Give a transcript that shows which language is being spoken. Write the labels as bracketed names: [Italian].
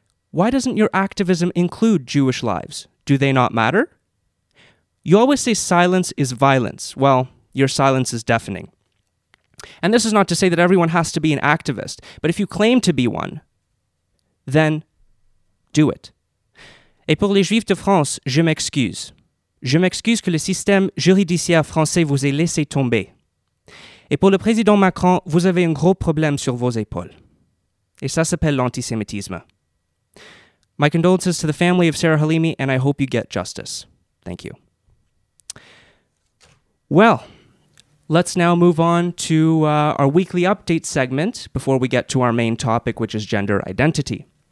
[English] Why doesn't your activism include Jewish lives? Do they not matter? You always say silence is violence. Well, your silence is deafening. And this is not to say that everyone has to be an activist, but if you claim to be one, then do it. [French] Et pour les Juifs de France, je m'excuse. Je m'excuse que le système judiciaire français vous ait laissé tomber. Et pour le président Macron, vous avez un gros problème sur vos épaules. Et ça s'appelle l'antisémitisme. [English] My condolences to the family of Sarah Halimi, and I hope you get justice. Thank you. Well, let's now move on to our weekly update segment before we get to our main topic, which is gender identity.